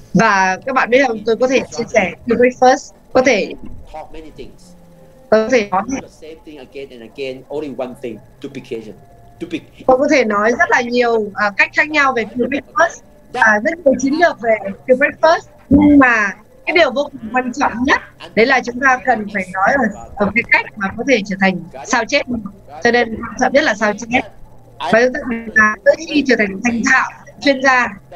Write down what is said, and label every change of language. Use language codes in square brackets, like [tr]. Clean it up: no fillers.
[vi] Và các bạn biết không, tôi có thể chia sẻ the breakfast, có thể [en] talk many things. [vi] Tôi có thể nói [en] the same thing again and again, only one thing, duplication. [vi] Tôi có thể nói rất là nhiều cách khác nhau về the breakfast, rất nhiều chiến lược về the breakfast, nhưng mà cái điều vô cùng quan trọng nhất đấy là chúng ta cần phải nói ở cái cách mà có thể trở thành sao chết. Cho nên quan trọng nhất là sao chết. Và chúng ta tới khi trở thành thành thạo, chuyên gia.